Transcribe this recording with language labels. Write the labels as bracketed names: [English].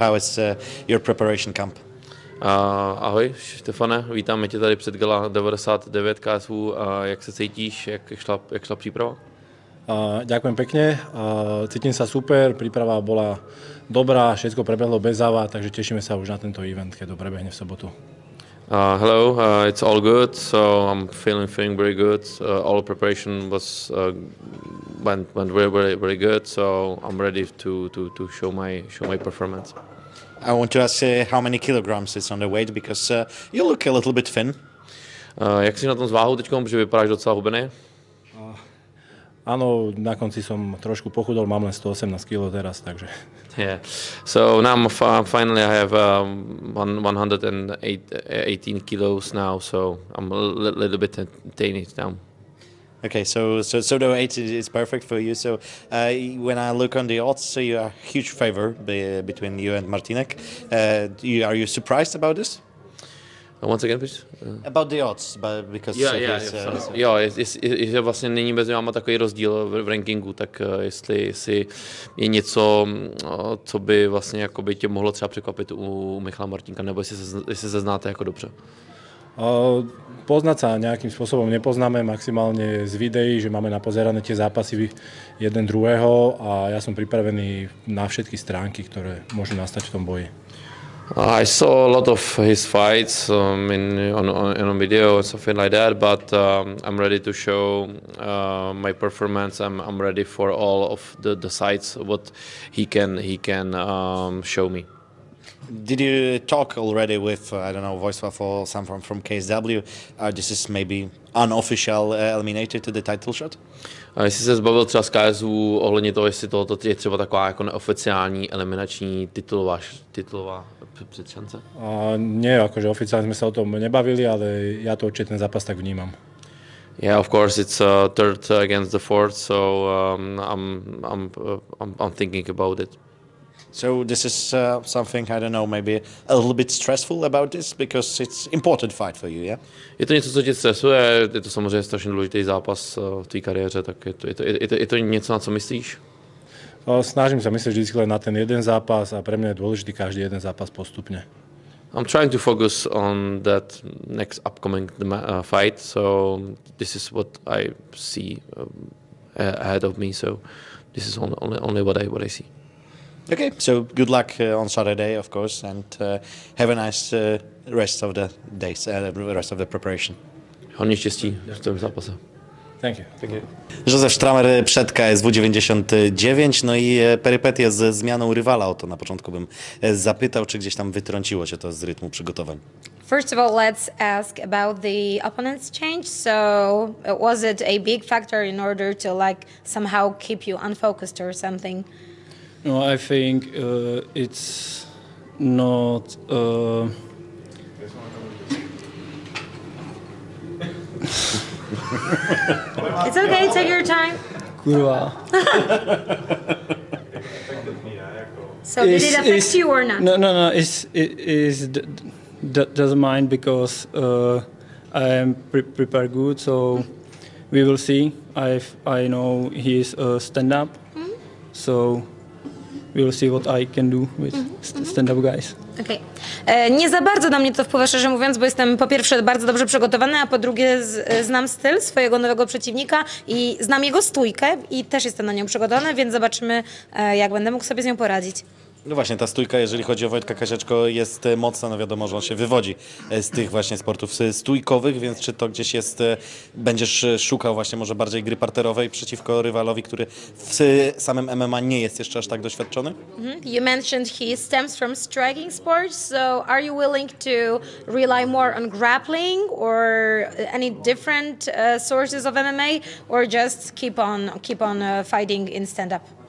[English] How is your preparation camp? [Czech] Ahoj, Štefane, vítáme tě tady před gala 99 KSW. Jak se cítíš, jak šla příprava? [Slovak] Ďakujem pekne, cítim sa super, príprava bola dobrá, všetko prebehlo bez závad, takže tešíme sa už na tento event, keď to prebehne v sobotu. [English] Hello, it's all good, so I'm feeling very good, all preparation was went really, really, really good, so I'm ready to show my performance. I want to ask how many kilograms is on the weight, because you look a little bit thin. Jak si na tom s váhou teďkom, protože vypadáš docela hubený? Ano, na konci som trošku pochudol, mám len 118 kg teraz, takže. Yeah. So now finally I have 118 kilos now, so I'm a little bit tiny now. Okay, so the weight is perfect for you. So when I look on the odds, so you are a huge favor between you and Martinek. Are you surprised about this? Once again, please. About the odds, but because [Czech] Jo, vlastně není mezi váma takový rozdíl v rankingu, tak jestli je něco, co by vlastně jako by tě mohlo třeba překvapit u Michala Martinka, nebo jestli se znáte jako dobře. [Slovak] Poznať sa nejakým spôsobom nepoznáme, maximálne z videí, že máme napozerané tie zápasy jeden druhého a ja som pripravený na všetky stránky, ktoré môžu nastať v tom boji. [English] I saw a lot of his fights on video and something like that, but I'm ready to show my performance. I'm ready for all of the sites what he can show me. Did you talk already with I don't know Wojciech or someone from KSW? This is maybe unofficial eliminator to the title shot. [Czech] Jestli se zbavil třeba z KSW ohledně toho, jestli tohoto je třeba taková jako neoficiální eliminační titulová předšance? Ne, jakože oficiálně jsme se o tom nebavili, ale já to určitě ten zápas tak vnímám. [English] Yeah, of course, it's third against the fourth, so I'm thinking about it. So this is something I don't know, maybe a little bit stressful about this because it's important fight for you, yeah? [Czech] Je to něco, co tě stresuje, je to samozřejmě strašně důležitý zápas v tvé kariéře, tak je to něco, na co myslíš? Snažím se myslet vždycky len na ten jeden zápas a pro mě je důležitý každý jeden zápas postupně. [English] I'm trying to focus on that next upcoming fight, so this is what I see ahead of me, so this is only what I see. Okay, so good luck on Saturday, of course, and have a nice rest of the days, rest of the preparation. Hodně štěstí v tom zápase. Thank you. Thank you. [Polish] Josef Stramer przed KSW 99, no i perypetie z zmianą rywala, o to na początku bym zapytał, czy gdzieś tam wytrąciło się to z rytmu przygotowań. [English] First of all, let's ask about the opponent's change. So was it a big factor in order to like somehow keep you unfocused or something? No, I think it's not. It's okay. Take your time. [Polish] Kurwa. [English] So it's, did it affect you or not? No. It is. That doesn't mind because I am prepared good. So we will see. I know he's stand up. Mm-hmm. So. we'll see what I can do with stand-up guys. Okay. [Polish] Nie za bardzo na mnie to wpływa, szczerze mówiąc, bo jestem po pierwsze bardzo dobrze przygotowana, a po drugie znam styl swojego nowego przeciwnika i znam jego stójkę i też jestem na nią przygotowana, więc zobaczymy, jak będę mógł sobie z nią poradzić. No właśnie, ta stójka, jeżeli chodzi o Wojtka Kasiaczko, jest mocna, no wiadomo, że on się wywodzi z tych właśnie sportów stójkowych, więc czy to gdzieś jest, będziesz szukał właśnie może bardziej gry parterowej przeciwko rywalowi, który w samym MMA nie jest jeszcze aż tak doświadczony? [English] You mentioned he stems from striking sports, so are you willing to rely more on grappling or any different sources of MMA or just keep on fighting in stand-up?